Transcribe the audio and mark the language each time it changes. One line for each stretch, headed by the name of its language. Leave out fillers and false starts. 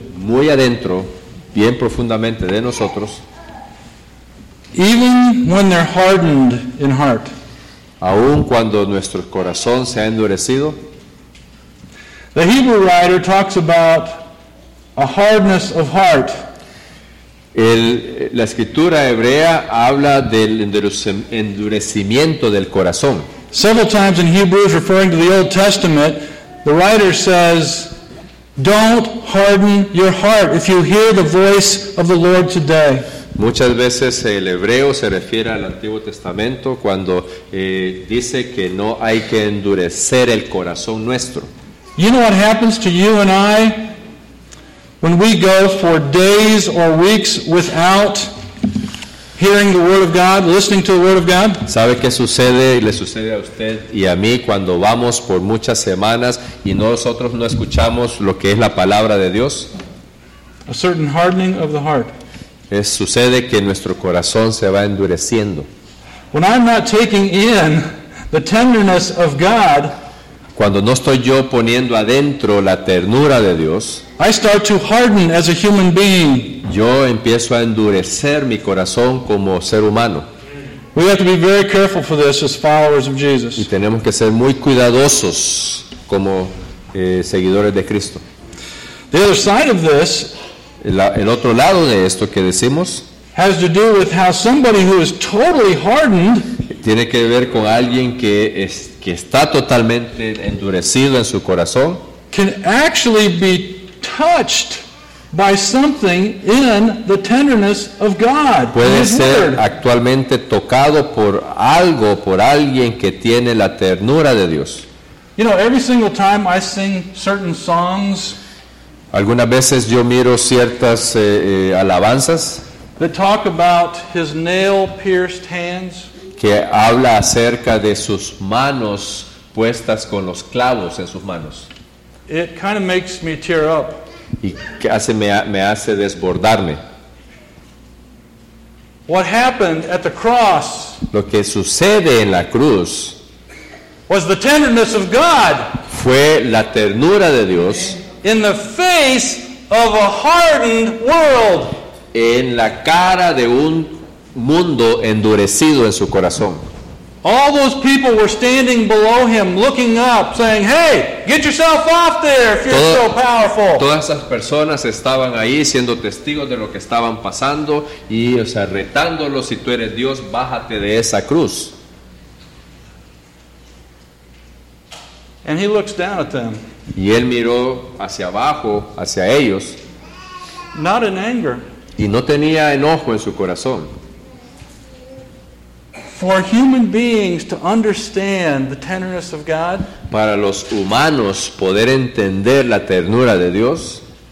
Spanish: Muy adentro, bien profundamente de nosotros.
English: Even when they're hardened in heart.
Spanish: Aun cuando nuestro corazón se ha endurecido.
English: The Hebrew writer talks about a hardness of heart.
Spanish: La escritura hebrea habla del endurecimiento del corazón.
English: Several times in Hebrews, referring to the Old Testament, the writer says, "Don't harden your heart if you hear the voice of the Lord today."
Spanish: Muchas veces el hebreo se refiere al Antiguo Testamento cuando dice que no hay que endurecer el corazón nuestro.
English: You know what happens to you and I when we go for days or weeks without hearing the Word of God, listening to the Word of God?
Spanish: ¿Sabe qué sucede y le sucede a usted y a mí cuando vamos por muchas semanas y nosotros no escuchamos lo que es la palabra de Dios?
English: A certain hardening of the heart.
Spanish: Sucede que nuestro corazón se va endureciendo.
English: When I'm not taking in the tenderness of God,
Spanish: cuando no estoy yo poniendo adentro la ternura de Dios,
English: I start to harden as a human being.
Spanish: Yo empiezo a endurecer mi corazón como ser humano.
English: We have to be very careful for this as followers of Jesus.
Spanish: Y tenemos que ser muy cuidadosos como seguidores de Cristo.
English: The other side of this,
Spanish: el otro lado de esto que decimos,
English: has to do with how somebody who is totally hardened,
Spanish: tiene que ver con alguien que está totalmente endurecido en su corazón,
English: can actually be touched by something in the tenderness of God.
Spanish: Puede ser actualmente tocado por algo, por alguien que tiene la ternura de Dios.
English: You know, every single time I sing certain songs,
Spanish: Algunas veces yo miro ciertas alabanzas
English: that talk about his nail-pierced hands,
Spanish: que habla acerca de sus manos puestas con los clavos en sus manos.
English: It kind of makes me tear up.
Spanish: Y casi me hace desbordarme.
English: What happened at the cross?
Spanish: Lo que sucede en la cruz
English: was the tenderness of God.
Spanish: Fue la ternura de Dios.
English: In the face of a hardened world.
Spanish: En la cara de un mundo endurecido en su corazón.
English: All those people were standing below him, looking up, saying, "Hey, get yourself off there if you're so powerful."
Spanish: Todas esas personas estaban ahí siendo testigos de lo que estaban pasando y, o sea, retándolo, si tú eres Dios, bájate de esa cruz.
English: And he looks down at them.
Spanish: Y él miró hacia abajo, hacia ellos.
English: Not in anger.
Spanish: Y no tenía enojo en su corazón.
English: For human beings to understand the tenderness of God,
Spanish: para los humanos poder entender la ternura de Dios,